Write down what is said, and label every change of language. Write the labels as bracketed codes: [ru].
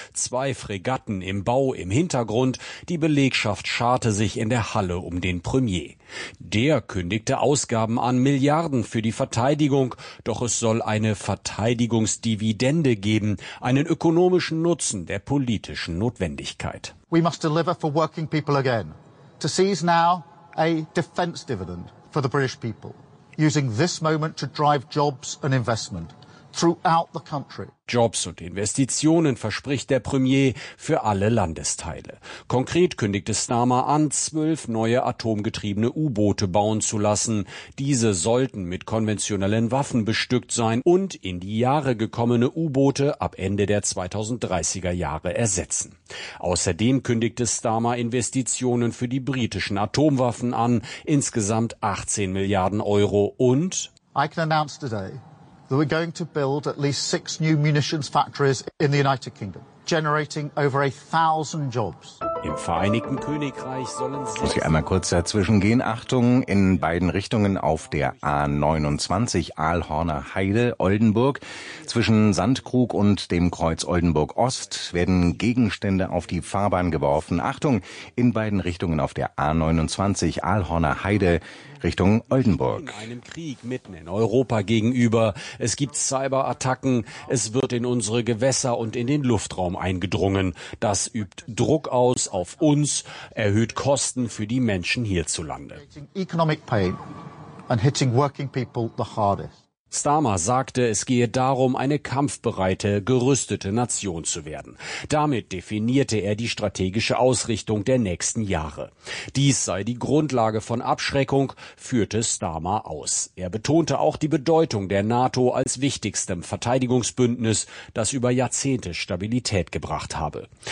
[de] Zwei Fregatten im Bau im Hintergrund, die Belegschaft scharte sich in der Halle um den Premier. Der kündigte Ausgaben an, Milliarden für die Verteidigung, doch es soll eine Verteidigungsdividende geben, einen ökonomischen Nutzen der politischen Notwendigkeit. [en] We must deliver for working people again, to seize now a defense dividend for the British people, using this moment to drive jobs and investment throughout the country. [de] Jobs und Investitionen verspricht der Premier für alle Landesteile. Konkret kündigte Starmer an, 12 neue atomgetriebene U-Boote bauen zu lassen. Diese sollten mit konventionellen Waffen bestückt sein und in die Jahre gekommene U-Boote ab Ende der 2030er Jahre ersetzen. Außerdem kündigte Starmer Investitionen für die britischen Atomwaffen an, insgesamt 18 Milliarden Euro und [en] I can announce today that we're going to build at least 6 new munitions factories in the United Kingdom, generating over 1,000 jobs. [de] Im Vereinigten Königreich sollen sie. Muss ich einmal kurz dazwischen gehen. Achtung, in beiden Richtungen auf der A29 Aalhorner Heide, Oldenburg. Zwischen Sandkrug und dem Kreuz Oldenburg Ost werden Gegenstände auf die Fahrbahn geworfen. Achtung, in beiden Richtungen auf der A29 Aalhorner Heide Richtung Oldenburg. In einem Krieg mitten in Europa gegenüber. Es gibt Cyberattacken. Es wird in unsere Gewässer und in den Luftraum eingedrungen. Das übt Druck aus auf uns, erhöht Kosten für die Menschen hierzulande. [en] Economic pain and hitting working people the hardest. [de] Starmer sagte, es gehe darum, eine kampfbereite, gerüstete Nation zu werden. Damit definierte er die strategische Ausrichtung der nächsten Jahre. Dies sei die Grundlage von Abschreckung, führte Starmer aus. Er betonte auch die Bedeutung der NATO als wichtigstem Verteidigungsbündnis, das über Jahrzehnte Stabilität gebracht habe.